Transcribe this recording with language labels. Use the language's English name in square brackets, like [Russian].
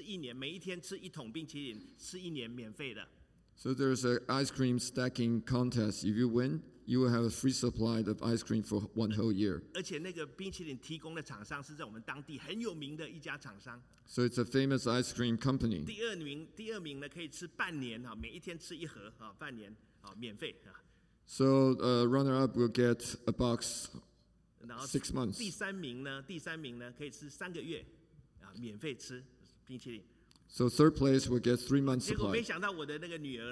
[Chinese] 人算不如天算。我之前也分享过一个例子，我的小孩有一次参加这个冰淇淋比赛，这个叠冰淇淋比赛，你们听过这个例子？哇，叠的最高的人呢，可以一年第一名呢，可以吃一年，每一天吃一桶冰淇淋，吃一年免费的。 [English] So there's an ice cream stacking contest. If you win, you will have a free supply of ice cream for one whole year. [Chinese] 而且那个冰淇淋提供的厂商是在我们当地很有名的一家厂商。 [English] So it's a famous ice cream company. [Chinese] 第二名呢可以吃半年，每一天吃一盒，半年，免费。 [English] So a runner-up will get a box 6 months. [Chinese] 第三名呢可以吃三个月，免费吃冰淇淋。 [English] So third place will get 3 months supply.